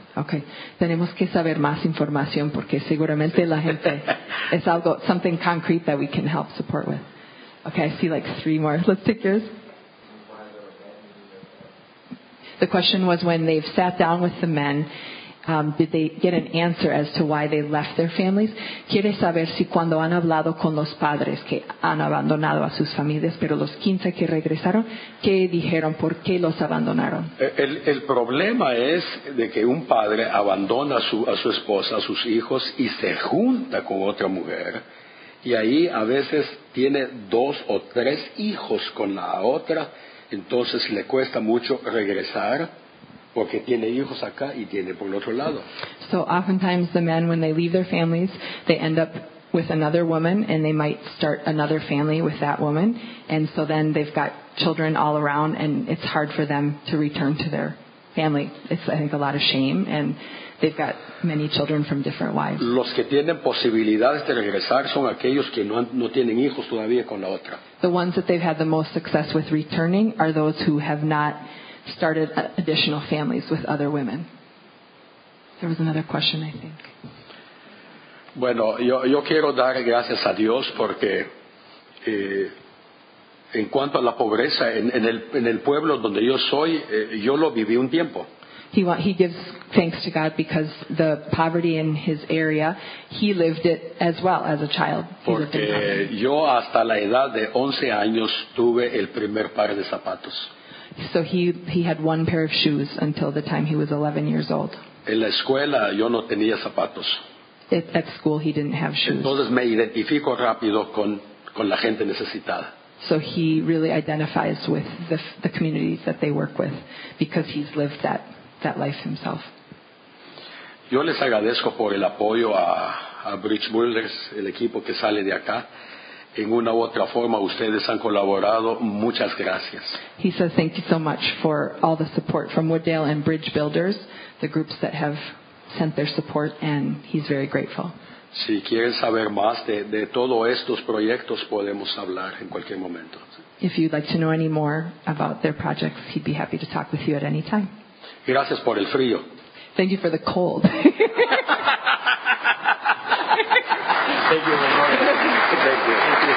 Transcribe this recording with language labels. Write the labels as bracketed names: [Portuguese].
[Spanish] Okay. Tenemos que saber más información porque seguramente la gente es algo, [English] something concrete that we can help support with. Okay, I see like three more. Let's take yours. The question was, when they've sat down with the men, did they get an answer as to why they left their families? [Spanish] Quiere saber si cuando han hablado con los padres que han abandonado a sus familias, pero los 15 que regresaron, ¿qué dijeron? ¿Por qué los abandonaron? El problema es de que un padre abandona a su esposa, a sus hijos, y se junta con otra mujer, y ahí a veces tiene dos o tres hijos con la otra, entonces le cuesta mucho regresar. Porque tiene hijos acá y tiene por el otro lado. [English] So oftentimes the men, when they leave their families, they end up with another woman, and they might start another family with that woman. And so then they've got children all around, and it's hard for them to return to their family. It's, I think, a lot of shame, and they've got many children from different wives. [Spanish] Los que tienen posibilidades de regresar son aquellos que no tienen hijos todavía con la otra. [English] The ones that they've had the most success with returning are those who have not started additional families with other women. There was another question, I think. [Spanish] Bueno, yo quiero dar gracias a Dios porque en cuanto a la pobreza en el pueblo donde yo soy, yo lo viví un tiempo. [English] He gives thanks to God because the poverty in his area, he lived it as well as a child. [Spanish] Porque yo hasta la edad de 11 años tuve el primer par de zapatos. [English] So he had one pair of shoes until the time he was 11 years old. [Spanish] En la escuela yo no tenía zapatos. [English] At school he didn't have shoes. [Spanish] Entonces me identifico rápido con la gente necesitada. [English] So he really identifies with the communities that they work with because he's lived that life himself. [Spanish] Yo les agradezco por el apoyo a Bridge Builders, el equipo que sale de acá. En una u otra forma ustedes han colaborado. Muchas gracias. [English] He says thank you so much for all the support from Wooddale and Bridge Builders, the groups that have sent their support, and he's very grateful. [Spanish] Si quieren saber más de todos estos proyectos, podemos hablar en cualquier momento. [English] If you'd like to know any more about their projects, he'd be happy to talk with you at any time. [Spanish] Gracias por el frío. [English] Thank you for the cold. Thank you very much.